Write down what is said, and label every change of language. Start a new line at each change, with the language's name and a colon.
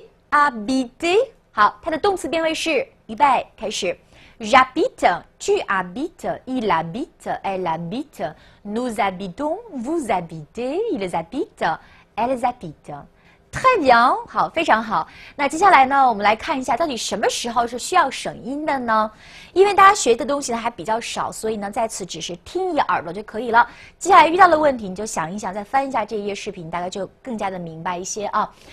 Chinese: Abide 好，它的动词变位是预备开始。
French: Rabite, tu habite, il habite, elle habite, nous habitons, vous habitez, ils habitent, elles habitent. Très bien,
Chinese: 好，非常好。那接下来呢，我们来看一下到底什么时候是需要省音的呢？因为大家学的东西呢还比较少，所以呢在此只是听一耳朵就可以了。接下来遇到的问题你就想一想，再翻一下这一页视频，大概就更加的明白一些啊。